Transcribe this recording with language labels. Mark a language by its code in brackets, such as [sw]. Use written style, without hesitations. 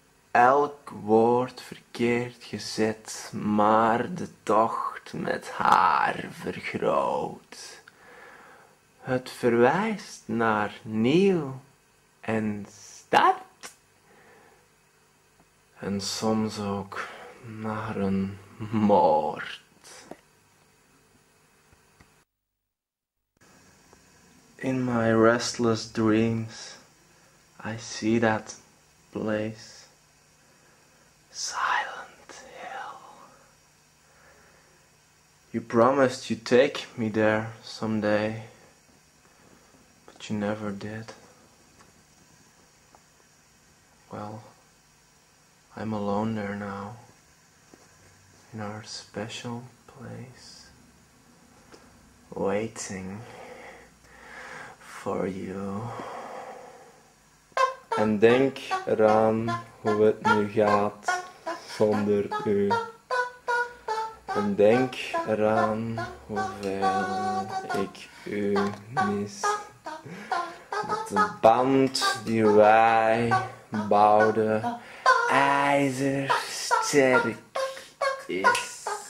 [nl] Elk woord verkeerd gezet, maar de tocht met haar vergroot. Het verwijst naar nieuw en start. En soms ook naar een moord. [en] In my restless dreams, I see that place. Silent Hill. You promised you'd take me there someday, but you never did. Well, I'm alone there now, in our special place, waiting for you. [nl] En denk eraan hoe het nu gaat zonder u. En denk eraan hoeveel ik u mis. Met de band die wij bouwden, ijzersterk is.